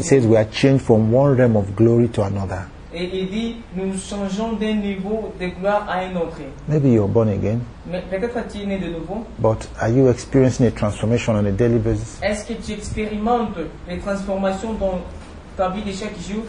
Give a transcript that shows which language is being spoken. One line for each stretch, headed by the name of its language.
English: It says we are changed from one realm of glory to another.
French: Et il dit, nous changeons d'un niveau de gloire à un autre.
English: Maybe you are born again.
French: Mais peut-être as-tu né de nouveau.
English: But are you experiencing a transformation on a daily basis?
French: Est-ce que tu expérimentes les transformations dans ta vie de chaque jour?